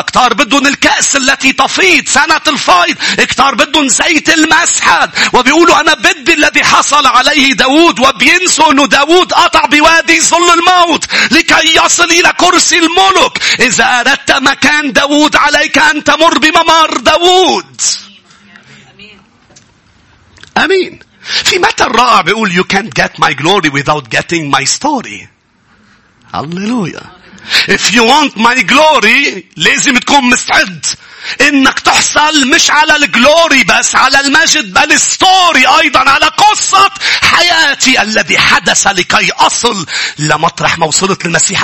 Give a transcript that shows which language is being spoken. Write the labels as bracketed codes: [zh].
[ar] كتار بدهن الكأس التي تفيض سنة الفيض. كتار بدهن زيت المسحد وبيقولوا أنا بدي الذي حصل عليه داود، وبي ينسوا أنه داود قطع بوادي ظل الموت لكي يصل إلى كرسي الملك. إذا أردت مكان داود عليك أن تمر بممر داود. أمين. في مثل رائع بيقول [en] You can't get my glory without getting my story. Hallelujah. If you want my glory [ar] لازم تكون مستعد إنك تحصل مش على الجلوري بس، على المجد، بل ستوري أيضا، على قصة حياتي الذي حدث لكي أصل لمطرح ما وصلت للمسيح.